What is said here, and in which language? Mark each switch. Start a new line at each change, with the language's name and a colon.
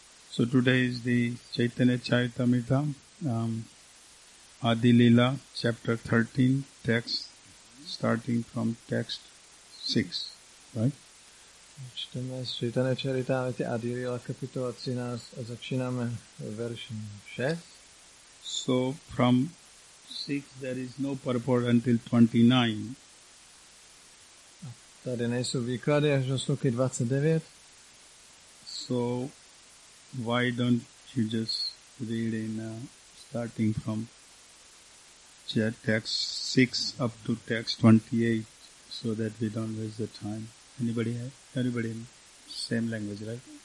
English: So today is the Chaitanya Charitamrita, Adi Lila, chapter 13, text, starting from text 6, right?
Czech: Čteme z Chaitanya Charitamrita Adi Lila, kapitola 13, a začínáme veršom 6.
English: So from 6 there is no purport until 29.
Czech: Tady nejsou výklady až do sloky 29.
English: So why don't you just read in starting from text 6 up to text 28 so that we don't waste the time? Anybody in same language, right?